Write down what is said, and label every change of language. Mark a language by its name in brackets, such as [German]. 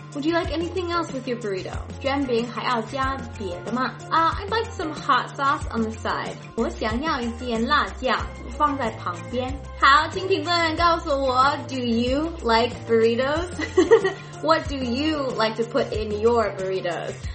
[English] Would you like anything else with your burrito? [Chinese] 卷饼还要加别的吗？ [English] I'd like some hot sauce on the side. [Chinese] 我想要一点辣酱放在旁边。好，请评论员告诉我 [English] Do you like burritos? What do you like to put in your burritos?